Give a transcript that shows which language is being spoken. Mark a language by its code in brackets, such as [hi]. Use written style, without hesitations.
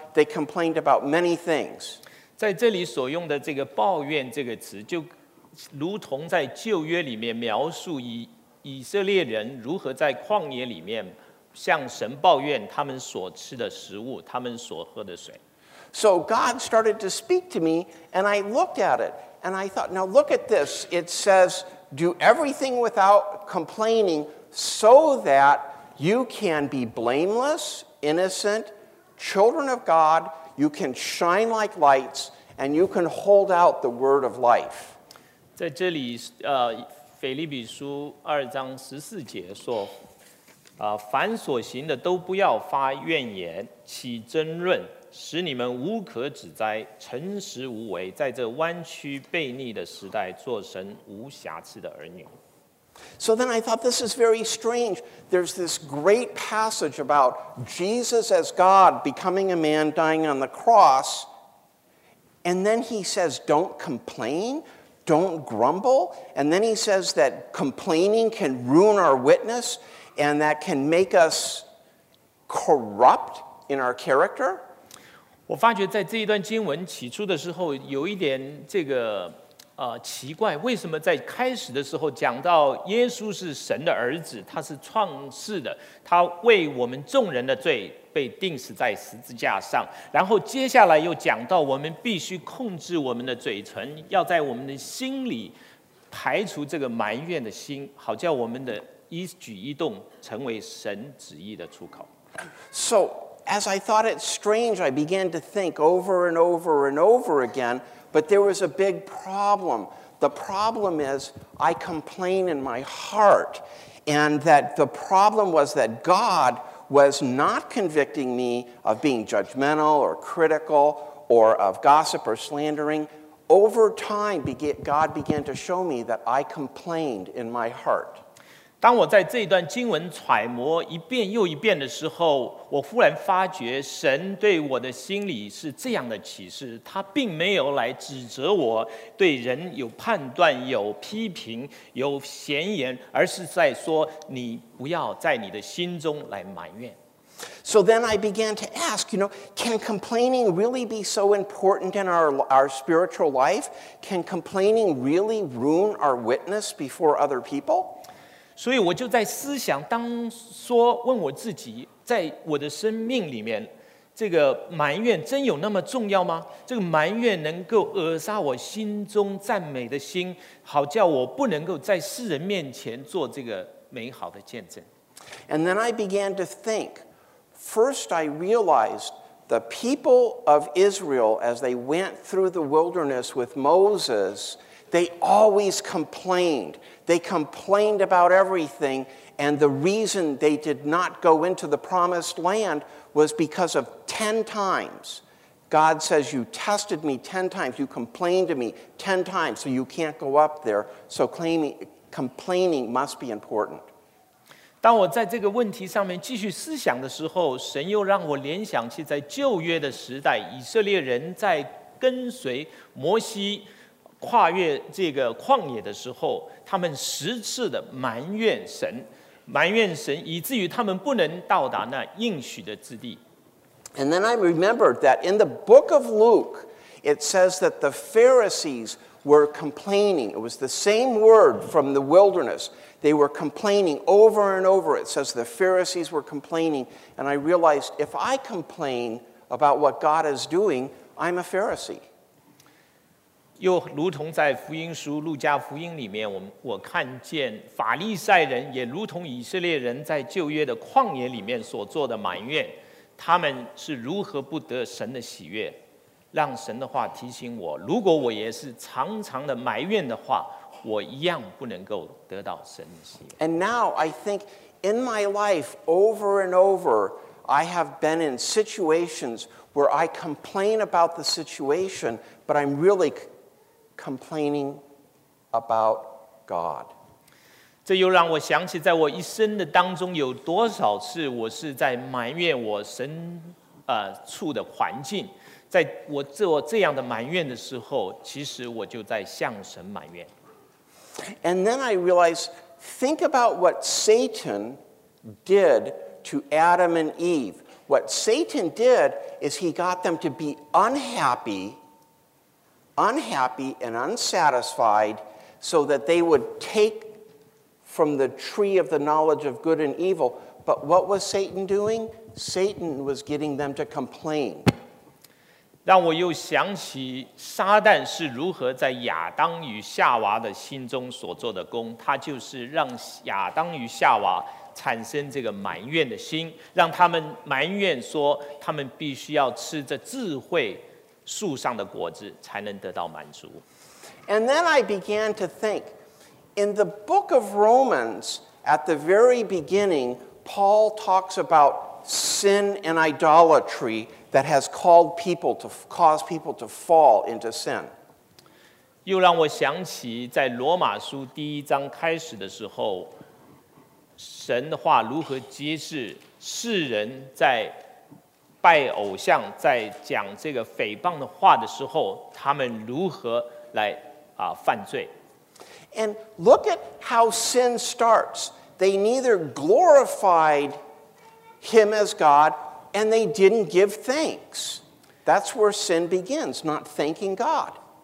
[en] They complained about many things. [zh] 在这里所用的这个抱怨这个词，就如同在旧约里面描述以色列人如何在旷野里面向神抱怨他们所吃的食物，他们所喝的水。 [en] So God started to speak to me, and I looked at it, and I thought, now look at this. It says, do everything without complaining so that you can be blameless, innocent, children of God, you can shine like lights, and you can hold out the word of life. [zh] 在这里，腓立比书二章十四节说，凡所行的都不要发怨言，起争论。使你们无可指摘，诚实无为，在这弯曲悖逆的时代，做神无瑕疵的儿女。 [en] So then I thought this is very strange. There's this great passage about Jesus as God becoming a man, dying on the cross, and then he says, "Don't complain, don't grumble." And then he says that complaining can ruin our witness, and that can make us corrupt in our character. [zh] 我发觉在这一段经文起初的时候有一点这个奇怪，为什么在开始的时候讲到耶稣是神的儿子，他是创世的，他为我们众人的罪被钉死在十字架上，然后接下来又讲到我们必须控制我们的嘴唇，要在我们的心里排除这个埋怨的心，好叫我们的一举一动成为神旨意的出口。 [en] So as I thought it strange, I began to think over and over and over again, but there was a big problem. The problem is I complain in my heart, and that the problem was that God was not convicting me of being judgmental or critical or of gossip or slandering. Over time, God began to show me that I complained in my heart. [zh] 当我在这一段经文揣摩一遍又一遍的时候，我忽然发觉神对我的心里是这样的启示，他并没有来指责我对人有判断、有批评、有闲言，而是在说你不要在你的心中来埋怨。 [en] So then I began to ask, you know, can complaining really be so important in our spiritual life? Can complaining really ruin our witness before other people? [zh] 所以我就在思想，当说问我自己，在我的生命里面，这个埋怨真有那么重要吗？这个埋怨能够扼杀我心中赞美的心，好叫我不能够在世人面前做这个美好的见证。 [en] And then I began to think. First, I realized the people of Israel, as they went through the wilderness with Moses, they always complained. They complained about everything, and the reason they did not go into the promised land was because of 10 times. God says, you tested me 10 times, you complained to me 10 times, so you can't go up there. So complaining must be important. [zh] 当我在这个问题上面继续思想的时候，神又让我联想起在旧约的时代，以色列人在跟随摩西跨越这个旷野的时候，他们10次的埋怨神，埋怨神，以至于他们不能到达那应许的之地。 [en] And then I remembered that in the book of Luke, it says that the Pharisees were complaining. It was the same word from the wilderness. They were complaining over and over. It says the Pharisees were complaining. And I realized if I complain about what God is doing, I'm a Pharisee. [zh] 又如同在福音书路加福音里面 我看见法利赛人也如同以色列人在旧约的旷野里面所做的埋怨，他们是如何不得神的喜悦，让神的话提醒我，如果我也是常常的埋怨的话，我一样不能够得到神的喜悦。 [en] And now I think in my life over and over I have been in situations where I complain about the situation but I'm really complaining about God. [zh] 这又让我想起在我一生的当中有多少次我是在埋怨我身处的环境，在我做这样的埋怨的时候，其实我就在向神埋怨。 [en] And then I realized, think about what Satan did to Adam and Eve. What Satan did is he got them to be unhappy and unsatisfied so that they would take from the tree of the knowledge of good and evil. But what was Satan doing? Satan was getting them to complain. [zh] 让我又想起撒旦是如何在亚当与夏娃的心中所做的功，他就是让亚当与夏娃产生这个埋怨的心，让他们埋怨说他们必须要吃这智慧树上的果子才能得到满足。 [en] And then I began to think, in the book of Romans, at the very beginning, Paul talks about sin and idolatry,that has caused people to fall into sin. [zh] 又让我想起在罗马书第一章开始的时候，神的话如何揭示世人在拜偶像，在讲这个诽谤的话的时候，他们如何来犯罪。 [en] And look at how sin starts. They neither glorified him as God,And they didn't give thanks. That's where sin begins, not thanking God.